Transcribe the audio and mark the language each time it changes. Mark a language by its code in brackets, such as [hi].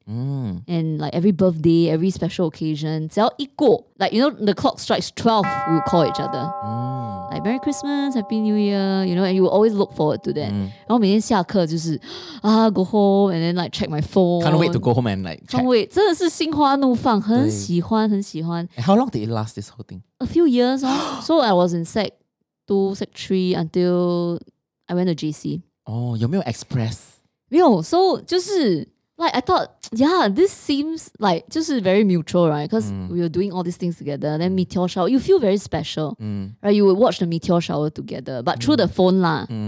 [en] And like every birthday, every special occasion, [zh] 只要一过, [en] like, you know, the clock strikes 12, we'll call each other. Like, Merry Christmas, Happy New Year, you know, and you will always look forward to that. And [zh] 然后每天下课就是, [en] go home, and then like check my phone. Can't wait to go home and like check. Can't wait. [zh] 真的是心花怒放, 很喜欢, 很喜欢. [en] And how long did it last, this whole thing? A few years. Oh. So I was in sec 2, sec 3, until I went to JC. [zh] Oh, 有没有 express? 没有, [en] so 就是, like I thought, yeah, this seems like, 就是 very mutual, right? Because we were doing all these things together, then meteor shower, you feel very special, right? You would watch the meteor shower together, but through the phone lah.